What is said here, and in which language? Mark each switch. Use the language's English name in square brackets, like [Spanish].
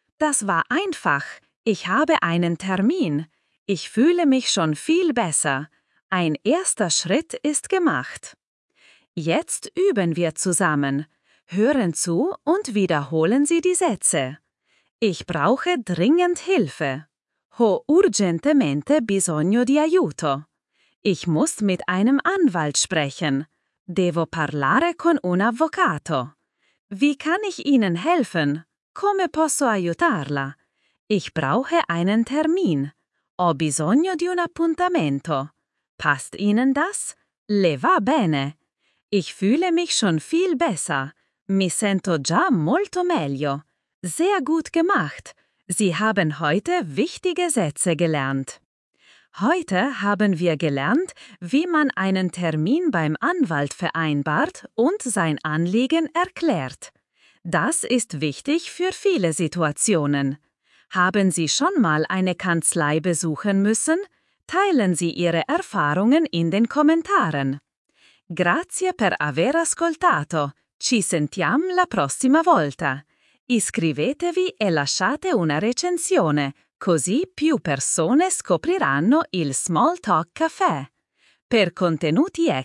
[German] Das war einfach. Ich habe einen Termin. Ich fühle mich schon viel besser. Ein erster Schritt ist gemacht. Jetzt üben wir zusammen. Hören zu und wiederholen Sie die Sätze. Ich brauche dringend Hilfe. [Italian] Ho urgentemente bisogno di aiuto. [German] Ich muss mit einem Anwalt sprechen. [Italian] Devo parlare con un avvocato. [German] Wie kann ich Ihnen helfen? [Italian] Come posso aiutarla? [German] Ich brauche einen Termin. [Italian] Ho bisogno di un appuntamento. [German] Passt Ihnen das? [Italian] Le va bene. [German] Ich fühle mich schon viel besser. [Italian] Mi sento già molto meglio. [German] Sehr gut gemacht. Sie haben heute wichtige Sätze gelernt. Heute haben wir gelernt, wie man einen Termin beim Anwalt vereinbart und sein Anliegen erklärt. Das ist wichtig für viele Situationen. Haben Sie schon mal eine Kanzlei besuchen müssen? Teilen Sie Ihre Erfahrungen in den Kommentaren. [Italian] Grazie per aver ascoltato. Ci sentiamo la prossima volta. Iscrivetevi e lasciate una recensione, così più persone scopriranno il Small Talk Café. Per contenuti extra, seguiteci su YouTube e Instagram.